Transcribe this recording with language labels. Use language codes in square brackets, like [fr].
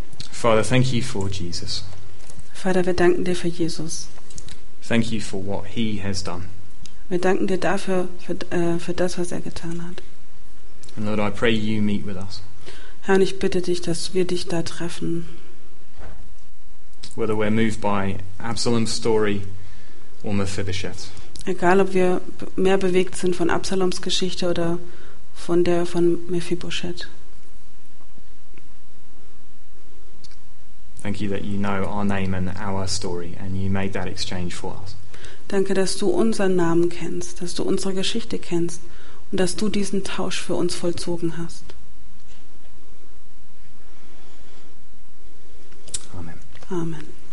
[en] Father, thank you for Jesus. [de] Vater, wir danken dir für Jesus. [en] Thank you for what he has done. [de] Wir danken dir dafür für das, was er getan hat. [en] And Lord, I pray you meet with us. [de] Herr, ich bitte dich, dass wir dich da treffen. [en] Whether we're moved by Absalom's story or Mephibosheth. [de] Egal, ob wir mehr bewegt sind von Absaloms Geschichte oder von der von Mephibosheth. [en] Thank you that you know our name and our story and you made that exchange for us. [de] Danke, dass du unseren Namen kennst, dass du unsere Geschichte kennst und dass du diesen Tausch für uns vollzogen hast. [en] Amen. [de] Amen.